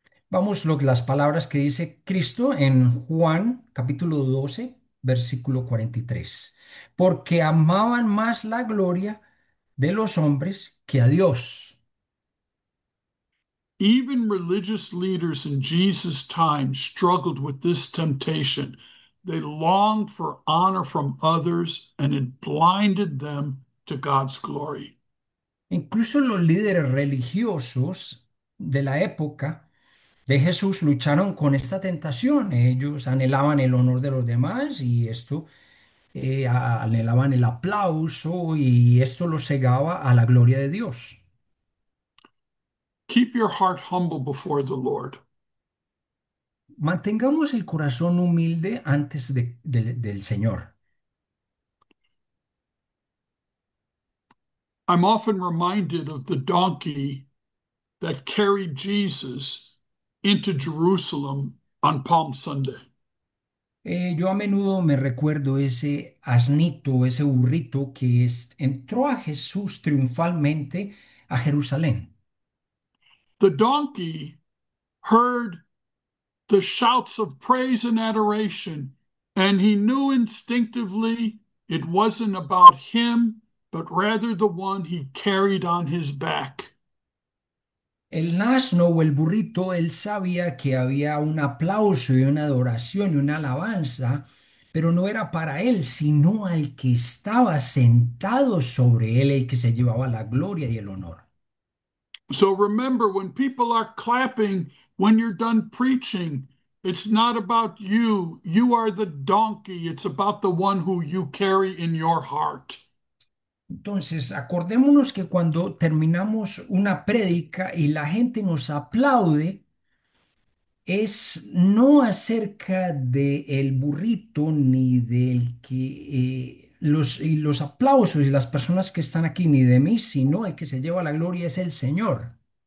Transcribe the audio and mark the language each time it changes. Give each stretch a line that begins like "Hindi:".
Spanish: Vamos a las palabras que dice Cristo en Juan capítulo 12. versículo 43. Porque amaban más la gloria de los hombres que a Dios.
English: Even religious leaders in Jesus' time struggled with this temptation. They longed for honor from others and it blinded them to God's glory.
Spanish: Incluso los líderes religiosos de la época de Jesús lucharon con esta tentación. Ellos anhelaban el honor de los demás y esto anhelaban el aplauso y esto lo cegaba a la gloria de Dios.
English: Keep your heart humble before the Lord.
Spanish: Mantengamos el corazón humilde antes del Señor.
English: I'm often reminded of the donkey that carried Jesus into Jerusalem on Palm Sunday.
Spanish: Yo a menudo me recuerdo ese asnito, ese burrito que entró a Jesús triunfalmente a Jerusalén.
English: The donkey heard the shouts of praise and adoration, and he knew instinctively it wasn't about him, but rather the one he carried on his back.
Spanish: El asno o el burrito, él sabía que había un aplauso y una adoración y una alabanza, pero no era para él, sino al que estaba sentado sobre él, el que se llevaba la gloria y el honor.
English: So remember, when people are clapping when you're done preaching, it's not about you. You are the donkey. It's about the one who you carry in your heart.
Spanish: Entonces, acordémonos que cuando terminamos una prédica y la gente nos aplaude, es no acerca del burrito ni del que los aplausos y las personas que están aquí, ni de mí, sino el que se lleva la gloria es el Señor.